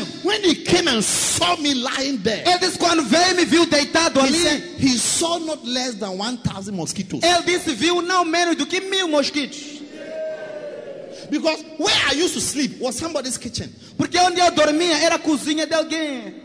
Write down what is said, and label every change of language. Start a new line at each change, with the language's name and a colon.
English: He said, when he came and saw me lying there.
Portuguese: Ele disse quando veio me viu deitado
English: he
Portuguese: ali.
English: Said, he saw not less than 1,000 mosquitoes.
Portuguese: Ele disse viu não menos do que 1,000 mosquitos.
English: Because where I used to sleep was somebody's kitchen.
Portuguese: Porque onde eu dormia era a cozinha de alguém.